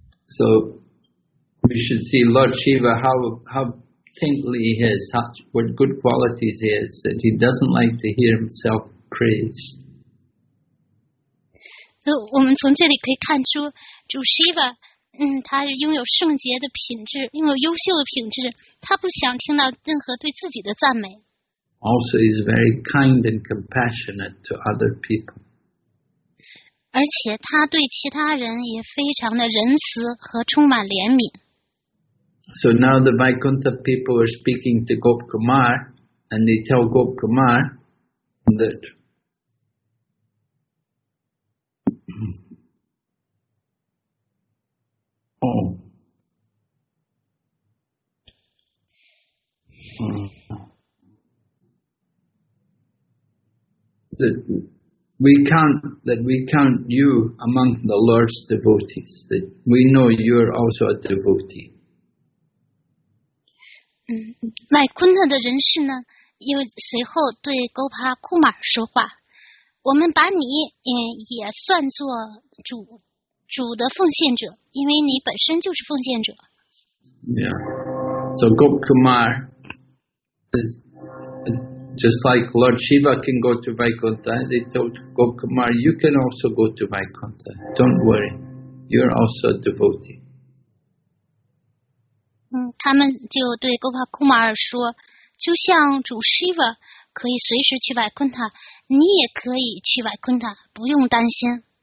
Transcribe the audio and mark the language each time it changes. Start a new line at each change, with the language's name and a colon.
English: So we should see Lord Shiva how saintly he is, what good qualities he is, that he doesn't like to hear himself praised. So
Chinese: 我们从这里可以看出主希瓦。他是拥有圣洁的品质，拥有优秀的品质，他不想听到任何对自己的赞美。
English: Also, he's very kind and compassionate to other people.
Chinese: 而且他对其他人也非常的仁慈和充满怜悯。
English: So now the Vaikuntha people are speaking to Gop Kumar, and they tell Gop Kumar that. That we count you among the Lord's devotees. That we know you are also a devotee.
Chinese: 麦昆特的人士呢，又随后对高帕库马说话：“我们把你也算作主的奉献者，因为你本身就是奉献者。”
English: Yeah. So Gop Kumar is. Just like Lord Shiva can go to Vaikuntha, they told Gop Kumar, "You can also go to Vaikuntha. Don't worry, you're also a devotee."
Chinese: 他们就对 Gopal Kumar 说，就像主 Shiva 可以随时去 Vaikuntha， 你也可以去 Vaikuntha， 不用担心。